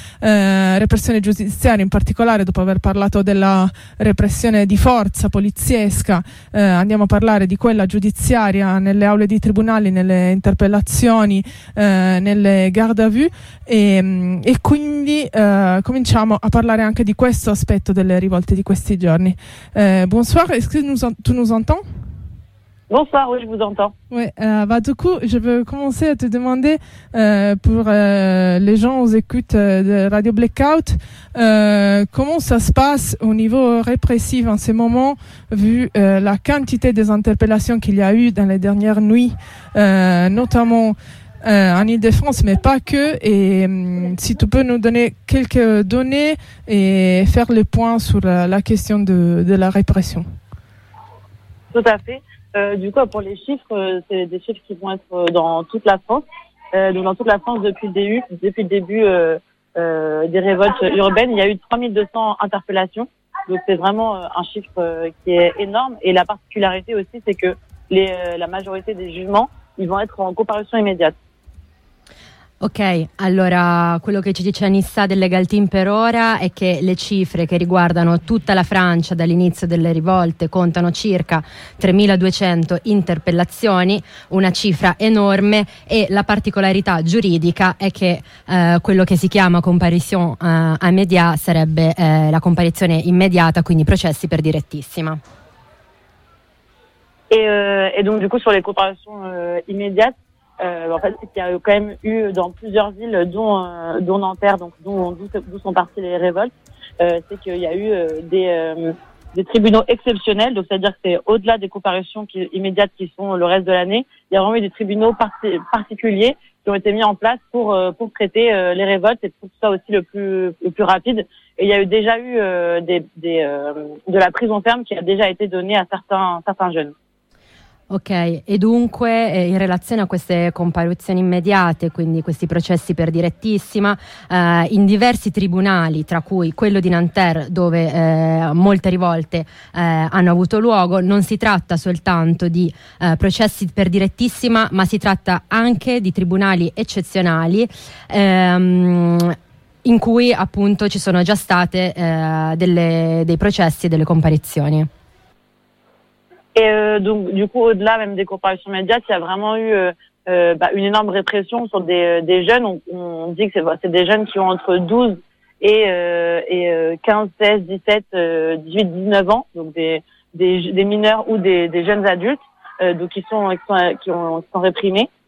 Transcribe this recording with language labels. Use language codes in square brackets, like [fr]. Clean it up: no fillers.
[it] repressione giudiziaria in particolare, dopo aver parlato della repressione di forza poliziesca, andiamo a parlare di quella giudiziaria nelle aule di tribunali, nelle interpellazioni, nelle garde à vue, e quindi cominciamo a parlare anche di questo aspetto delle rivolte di questi giorni. [fr] Bonsoir, est-ce que tu nous entends? Bonsoir, oui, je vous entends. Oui, du coup, je veux commencer à te demander, pour les gens aux écoutes de Radio Blackout, comment ça se passe au niveau répressif en ce moment, vu la quantité des interpellations qu'il y a eu dans les dernières nuits, notamment en Ile-de-France, mais pas que, et si tu peux nous donner quelques données et faire le point sur la question de la répression. Tout à fait. Du coup, pour les chiffres, c'est des chiffres qui vont être dans toute la France. Donc, dans toute la France, depuis le début des révoltes urbaines, il y a eu 3200 interpellations. Donc, c'est vraiment un chiffre qui est énorme. Et la particularité aussi, c'est que la majorité des jugements, ils vont être en comparution immédiate. [it] Ok, allora quello che ci dice Anissa del Legal Team per ora è che le cifre che riguardano tutta la Francia dall'inizio delle rivolte contano circa 3200 interpellazioni, una cifra enorme, e la particolarità giuridica è che quello che si chiama comparition immédiate sarebbe la comparizione immediata, quindi processi per direttissima. [fr] E donc du coup sur les comparaisons immédiates, en fait, c'est qu'il y a quand même eu dans plusieurs villes, dont Nanterre, donc d'où sont parties les révoltes, c'est qu'il y a eu des tribunaux exceptionnels. Donc, c'est-à-dire que c'est au-delà des comparutions immédiates qui sont le reste de l'année. Il y a vraiment eu des tribunaux particuliers qui ont été mis en place pour traiter les révoltes et pour que ce soit aussi le plus rapide. Et il y a déjà eu de la prison ferme qui a déjà été donnée à certains jeunes. [it] Ok, e dunque in relazione a queste comparuzioni immediate, quindi questi processi per direttissima, in diversi tribunali, tra cui quello di Nanterre, dove molte rivolte hanno avuto luogo, non si tratta soltanto di processi per direttissima, ma si tratta anche di tribunali eccezionali, in cui appunto ci sono già state dei processi e delle comparizioni. [fr] Et donc, du coup, au-delà même des comparutions immédiates, il y a vraiment eu une énorme répression sur des jeunes. On dit que c'est des jeunes qui ont entre 12 et 15, 16, 17, 18, 19 ans, donc des mineurs ou des jeunes adultes, donc qui sont réprimés.